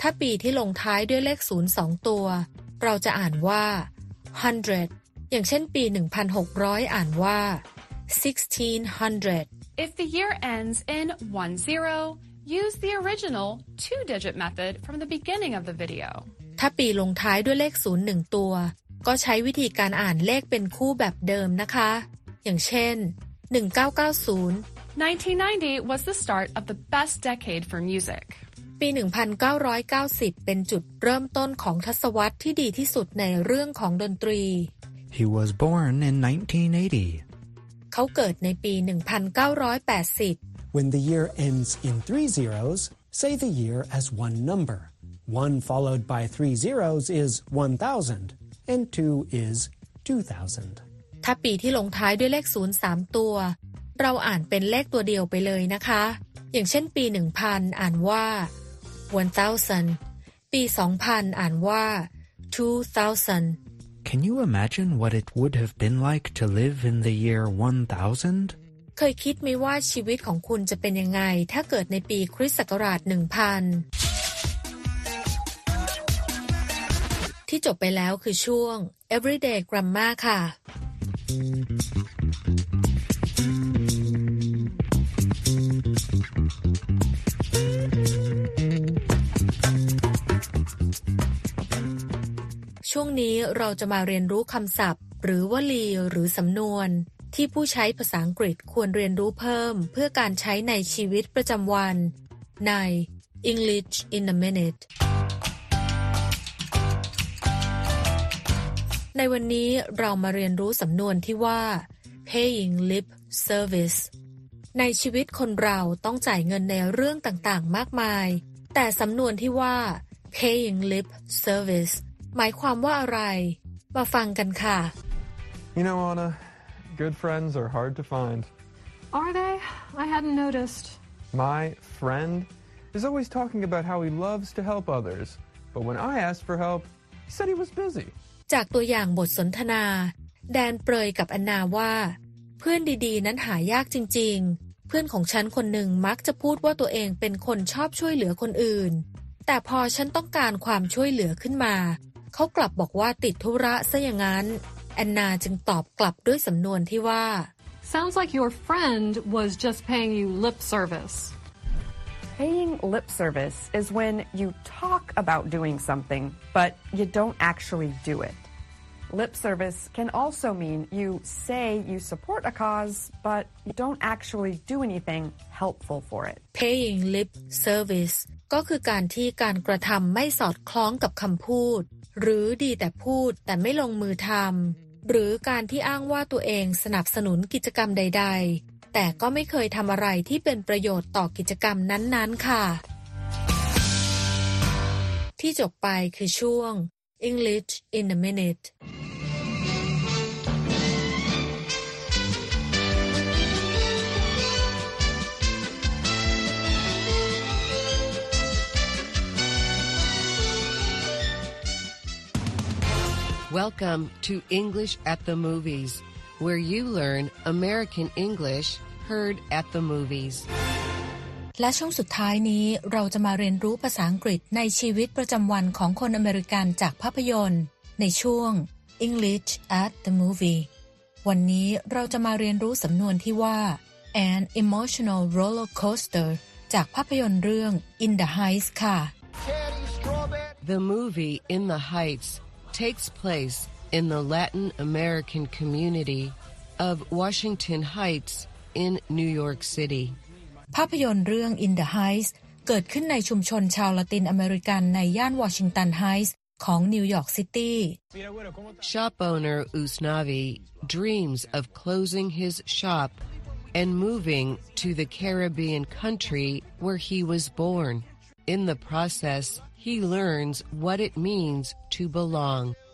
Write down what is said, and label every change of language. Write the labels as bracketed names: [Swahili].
[Thai] ถ้าปีที่ลงท้ายด้วยเลข0 2ตัวเราจะอ่านว่า100อย่างเช่นปี1600อ่านว่า1600 [English] If the year ends in 10, use the original two-digit method from the beginning of the video. [Thai] ถ้าปีลงท้ายด้วยเลข0 1ตัวก็ใช้วิธีการอ่านเลขเป็นคู่แบบเดิมนะคะอย่างเช่น1990 [English] 1990 was the start of the best decade for music. [Thai] ปี1990เป็นจุดเริ่มต้นของทศวรรษที่ดีที่สุดในเรื่องของดนตรี [English] He was born in 1980. [Thai] เขาเกิดในปี1980 [English] When the year ends in three zeros, say the year as one number. One followed by three zeros is 1,000, and two is 2,000. [Thai] ถ้าปีที่ลงท้ายด้วยเลข0 3ตัวเราอ่านเป็นเลขตัวเดียวไปเลยนะคะอย่างเช่นปี1000อ่านว่า 1,000 ปี2000อ่านว่า 2,000 [English] Can you imagine what it would have been like to live in the year 1000? [Thai] เคยคิดไหมว่าชีวิตของคุณจะเป็นยังไงถ้าเกิดในปีคริสต์ศักราช 1000? ที่จบไปแล้วคือช่วง Everyday Grammar ค่ะช่วงนี้เราจะมาเรียนรู้คำศัพท์หรือวลีหรือสำนวนที่ผู้ใช้ภาษาอังกฤษควรเรียนรู้เพิ่มเพื่อการใช้ในชีวิตประจำวันใน English in a Minute ในวันนี้เรามาเรียนรู้สำนวนที่ว่า paying lip service ในชีวิตคนเราต้องจ่ายเงินในเรื่องต่างๆมากมายแต่สำนวนที่ว่า paying lip serviceหมายความว่าอะไรมาฟังกันค่ะ [English] You know, Anna, good friends are hard to find. Are they? I hadn't noticed. My friend is always talking about how he loves to help others, but when I asked for help, he said he was busy. [Thai] จากตัวอย่างบทสนทนา แดนเปรยกับอันนาว่าเพื่อนดีๆนั้นหายากจริงๆเพื่อนของฉันคนหนึ่งมักจะพูดว่าตัวเองเป็นคนชอบช่วยเหลือคนอื่นแต่พอฉันต้องการความช่วยเหลือขึ้นมาเขากลับบอกว่าติดธุระซะอย่างนั้นแอนนาจึงตอบกลับด้วยสำนวนที่ว่า [English] Sounds like your friend was just paying you lip service. Paying lip service is when you talk about doing something but you don't actually do it. Lip service can also mean you say you support a cause but you don't actually do anything helpful for it. [Thai] Paying lip service ก็คือการที่การกระทำไม่สอดคล้องกับคำพูดหรือดีแต่พูดแต่ไม่ลงมือทำหรือการที่อ้างว่าตัวเองสนับสนุนกิจกรรมใดๆแต่ก็ไม่เคยทำอะไรที่เป็นประโยชน์ต่อกิจกรรมนั้นๆค่ะที่จบไปคือช่วง English in a Minute [English] Welcome to English at the Movies, where you learn American English heard at the movies. [Thai] และช่วงสุดท้ายนี้เราจะมาเรียนรู้ภาษาอังกฤษในชีวิตประจำวันของคนอเมริกันจากภาพยนตร์ในช่วง English at the Movie. วันนี้เราจะมาเรียนรู้สำนวนที่ว่า An emotional roller coaster จากภาพยนตร์เรื่อง In the Heights ค่ะ [English] The movie In the Heights. takes place in the Latin American community of Washington Heights in New York City. [Thai] ภาพยนตร์เรื่อง In the Heights เกิดขึ้นในชุมชนชาวละตินอเมริกันในย่านวอชิงตันไฮท์ของนิวยอร์กซิตี้ [English] Shop owner Usnavi dreams of closing his shop and moving to the Caribbean country where he was born. In the process,He learns what it means to belong.